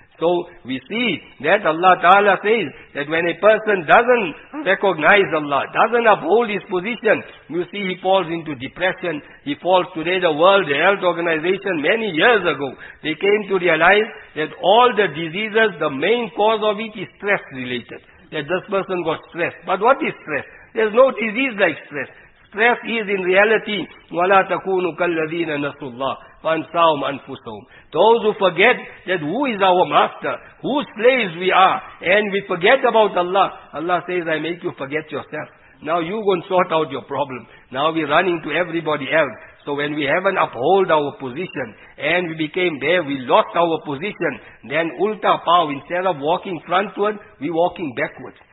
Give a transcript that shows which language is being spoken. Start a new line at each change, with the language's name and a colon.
English: So we see that Allah Ta'ala says that when a person doesn't recognize Allah, doesn't uphold his position, you see he falls into depression, he falls. Today the World Health Organization, many years ago, they came to realize that all the diseases, the main cause of it is stress related. That this person got stressed. But what is stress? There's no disease like stress. Stress is in reality,
Arabic: وَلَا تَكُونُ كَالَّذِينَ نَسُوا اللَّهِ فَانْسَاهُمْ أَنفُسَهُمْ.
English: Those who forget that who is our master, whose slaves we are, and we forget about Allah, Allah says, I make you forget yourself. Now you go and sort out your problem. Now we're running to everybody else. So when we haven't uphold our position, and we became there, we lost our position, then
Urdu: ulta pao,
English: instead of walking frontward, we're walking backwards.